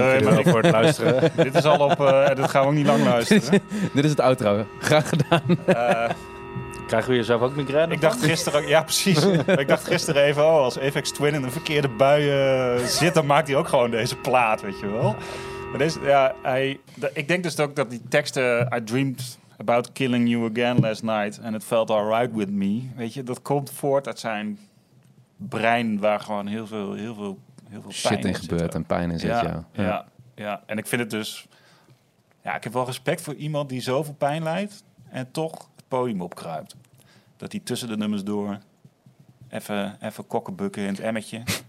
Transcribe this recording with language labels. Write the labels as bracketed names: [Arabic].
[Dutch] Nee, maar voor het luisteren. Dit is al op... dit gaan we ook niet lang luisteren. Dit is het outro. Graag gedaan. Krijgen we jezelf ook migraine? Ik dacht gisteren ook... Ja, precies. Ik dacht gisteren even... Oh, als Aphex Twin in een verkeerde bui zit... dan maakt hij ook gewoon deze plaat, weet je wel. Maar deze, ja, ik denk dus ook dat die teksten... [English] I dreamed about killing you again last night... and it felt alright with me. [Dutch] Weet je, dat komt voort uit zijn... brein waar gewoon heel veel shit in gebeurt zit en pijn in zit. Ja, ja. Ja, en ik vind het dus... Ja, ik heb wel respect voor iemand die zoveel pijn lijdt... en toch het podium opkruipt. Dat hij tussen de nummers door... even kokkenbukken in het emmertje.